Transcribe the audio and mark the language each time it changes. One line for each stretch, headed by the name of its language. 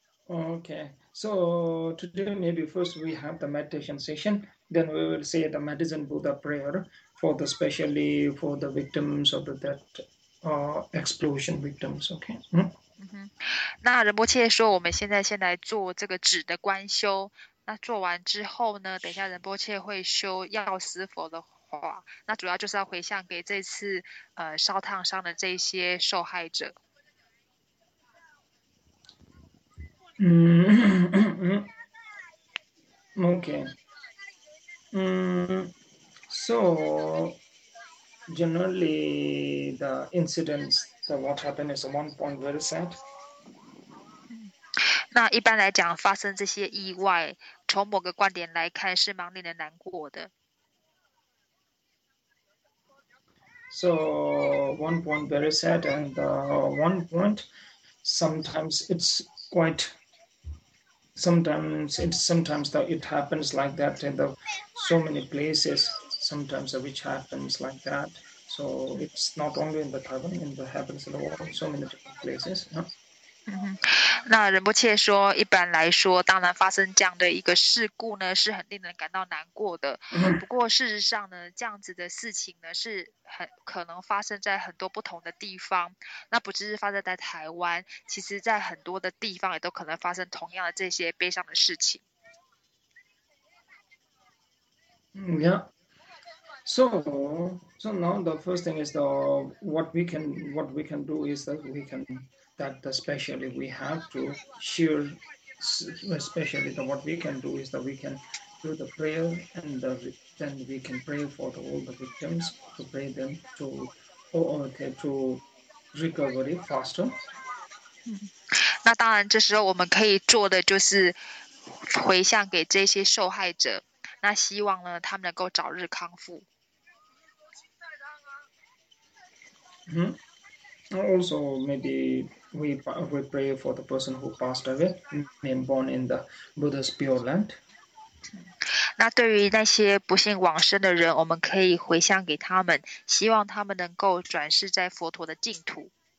English: Okay, so today maybe first we have the meditation session, then we will say the medicine Buddha prayer for the especially for the victims of that explosion victims. Okay.
Chinese: 那仁波切说，我们现在做这个止的观修。那做完之后呢，等一下仁波切会修药师佛的话，那主要就是要回向给这次烧烫伤的这些受害者。
English: Okay. So generally the incidents, the what happened is one point very sad.
Chinese: 那一般来讲，发生这些意外，从某个观点来看，是蛮令人难过的。
English: So one point very sad, and one point sometimes it's quite. Sometimes that it happens like that in the so many places, sometimes which happens like that. So it's not only in the Taiwan, it happens in the world, so many different places.
Chinese: 那仁波切说，一般来说，当然发生这样的一个事故呢，是很令人感到难过的。不过事实上呢，这样子的事情呢，是很可能发生在很多不同的地方。那不只是发生在台湾，其实在很多的地方也都可能发生同样的这些悲伤的事情。
English: So now the first thing is what we can do is that especially we have to share, especially the what we can do is that we can do the prayer, and then we can pray for all the victims to pray them to recovery faster.
Chinese: 那当然，这时候我们可以做的就是回向给这些受害者，那希望呢，他们能够早日康复。
English: Also, maybe we pray for the person who passed away, being born in the Buddha's pure land.
Chinese: 那对于那些不幸往生的人，我们可以回向给他们，希望他们能够转世在佛陀的净土。